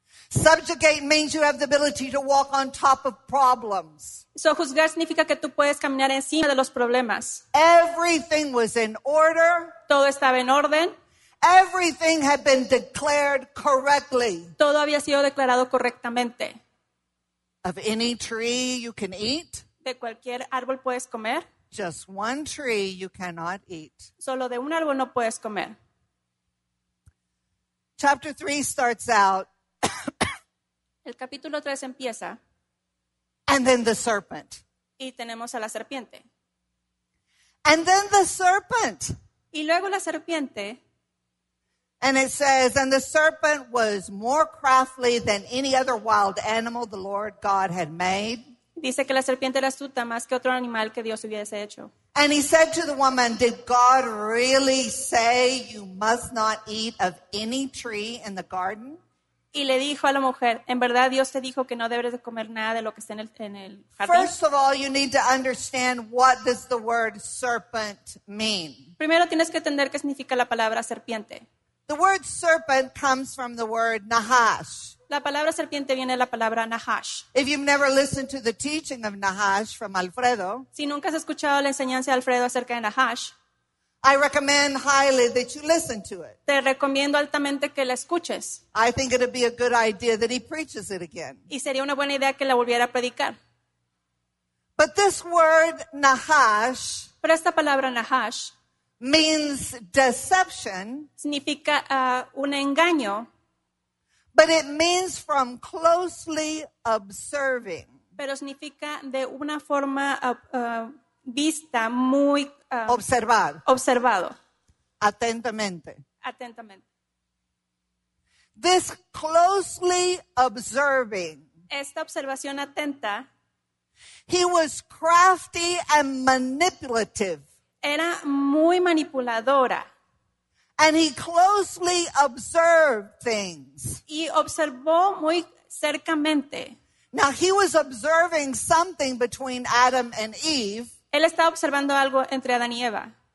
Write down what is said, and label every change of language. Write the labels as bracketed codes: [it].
[en] Subjugate means you have the ability to walk on top of problems. [es] So juzgar significa que tú puedes caminar encima de los problemas. [en] Everything was in order. [es] Todo estaba en orden. [en] Everything had been declared correctly. [es] Todo había sido declarado correctamente. [en] Of any tree you can eat. [es] De cualquier árbol puedes comer. [en] Just one tree you cannot eat. [es] Solo de un árbol no puedes comer. [en] Chapter 3 starts out. [es] El capítulo 3 empieza. [en] And then the serpent. [es] Y tenemos a la serpiente. [en] And then the serpent. [es] Y luego la serpiente. [en] And it says, and the serpent was more crafty than any other wild animal the Lord God had made. [es] Dice que la serpiente era astuta más que otro animal que Dios hubiese hecho. [en] And he said to the woman, did God really say you must not eat of any tree in the garden? [es] Y le dijo a la mujer, ¿en verdad Dios te dijo que no debes de comer nada de lo que está en el jardín? [en] First of all, you need to understand what does the word serpent mean. [es] Primero tienes que entender qué significa la palabra serpiente. [en] The word serpent comes from the word nahash. [es] La palabra serpiente viene de la palabra nahash. [en] If you've never listened to the teaching of nahash from Alfredo. [es] Si nunca has escuchado la enseñanza de Alfredo acerca de nahash. [en] I recommend highly that you listen to it. [es] Te recomiendo altamente que la escuches. [en] I think it would be a good idea that he preaches it again. [es] Y sería una buena idea que la volviera a predicar. [en] But this word nahash. [es] Pero esta palabra nahash. [en] Means deception. [es] Significa un engaño. [en] But it means from closely observing. [es] Pero significa de una forma vista muy observado. Atentamente. [en] This closely observing. [es] Esta observación atenta. [en] He was crafty and manipulative. [es] Era muy manipuladora. [en] And he closely observed things. [es] Y observó muy cercamente. [en] Now he was observing something between Adam and Eve. [es] Él estaba observando algo entre Adán y Eva.